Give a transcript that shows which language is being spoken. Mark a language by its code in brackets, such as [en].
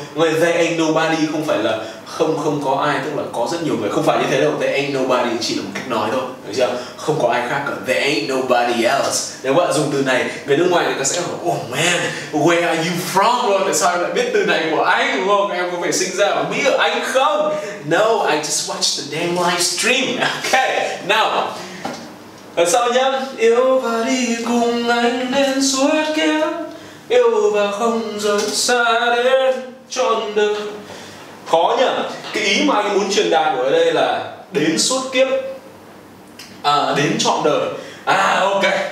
[vi] Người [en] there ain't nobody [vi] không phải là không có ai, tức là có rất nhiều người, không phải như thế đâu. [en] There ain't nobody [vi] chỉ là một cách nói thôi, được chưa? Không có ai khác cả. [en] There ain't nobody else. [vi] Nếu bạn dùng từ này, người nước ngoài thì ta sẽ hỏi, [en] oh man, where are you from? [vi] Rồi, tại sao em lại biết từ này của anh, đúng không? Em có phải sinh ra ở Mỹ ở anh không? [en] No, I just watched the damn live stream. Okay, now [vi] ở sau nhá, yêu và đi cùng anh đến suốt kiếp, yêu và không rời xa đến trọn đời. Khó nhỉ? Cái ý mà anh muốn truyền đạt của đây là đến suốt kiếp, đến trọn đời. À, ok.